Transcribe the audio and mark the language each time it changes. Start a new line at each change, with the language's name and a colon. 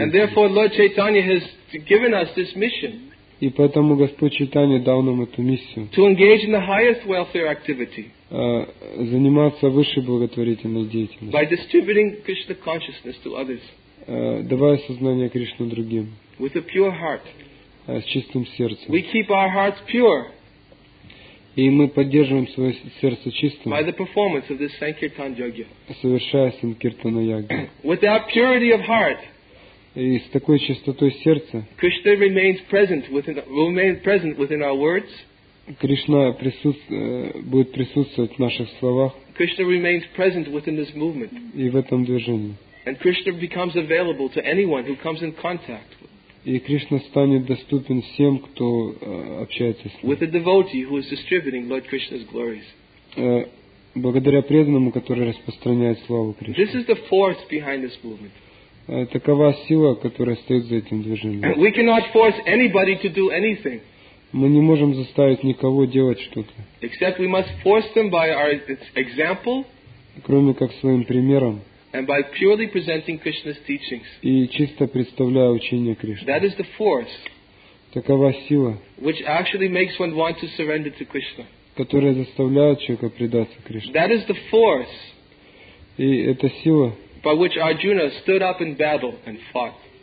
English: And therefore, Lord Chaitanya has given us this mission.
Russian: И поэтому Господь Чайтанья дал нам эту миссию.
English: To engage in the highest welfare activity.
Russian: Заниматься высшей благотворительной деятельностью.
English: By distributing Krishna consciousness to others.
Russian: Давая сознание Кришне другим.
English: With a pure heart.
Russian: С чистым сердцем.
English: We keep our hearts pure.
Russian: И мы поддерживаем свое сердце чистым.
English: By the performance of this Sankirtan Yajna.
Russian: Совершая Санкиртана Ягью.
English: With that purity of heart.
Russian: И с такой чистотой сердца.
English: Krishna remains present within our words.
Russian: Кришна будет присутствовать в наших словах.
English: Krishna remains present within this movement.
Russian: И в этом движении.
English: And Krishna becomes available to anyone who comes in contact.
Russian: И Кришна станет доступен всем, кто общается с ним.
English: With a devotee who is distributing Lord Krishna's glories.
Russian: Благодаря преданному, который распространяет славу Кришны.
English: This is the force behind this movement.
Russian: Такова сила, которая стоит за этим движением.
English: We cannot force anybody to do anything.
Russian: Мы не можем заставить никого делать что-то.
English: Except we must force them by our example.
Russian: Кроме как своим примером.
English: And by purely presenting Krishna's teachings.
Russian: И чисто представляя учение Кришны.
English: That is the force.
Russian: Такова сила.
English: Which actually makes one want to surrender to Krishna.
Russian: Которая заставляет человека предаться Кришне.
English: That is the force.
Russian: И это сила.
English: By which Arjuna stood up in battle and fought.